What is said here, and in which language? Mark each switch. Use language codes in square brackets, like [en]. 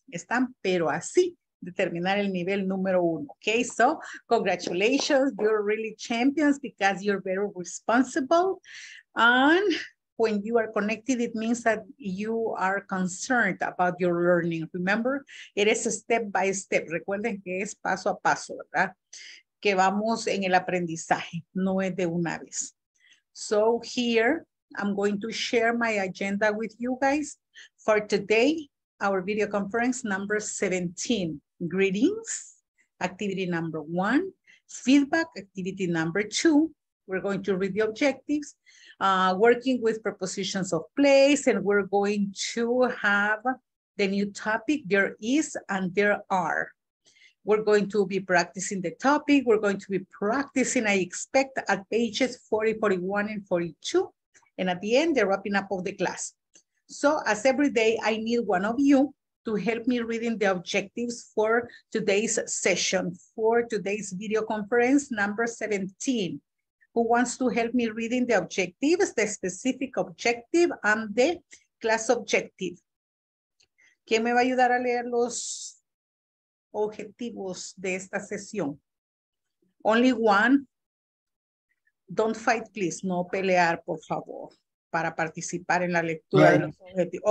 [es] Están pero así. Determinar el nivel número uno. [en] Okay, so congratulations, you're really champions because you're very responsible. And when you are connected, it means that you are concerned about your learning. Remember, it is a step by step. [es] Recuerden que es paso a paso, ¿verdad? Que vamos en el aprendizaje, no es de una vez. [en] So here, I'm going to share my agenda with you guys for today, our video conference number 17. Greetings, activity number one. Feedback, activity number two. We're going to read the objectives, working with prepositions of place, and we're going to have the new topic, there is and there are. We're going to be practicing the topic. We're going to be practicing, I expect, at pages 40, 41, and 42. And at the end, the wrapping up of the class. So as every day, I need one of you to help me reading the objectives for today's session, for today's video conference number 17. Who wants to help me reading the objectives, the specific objective and the class objective? [es] ¿Quién me va a ayudar a leer los objetivos de esta sesión? [en] Only one. don't fight, please. [es] No pelear, por favor, para participar en la lectura de los objetivos.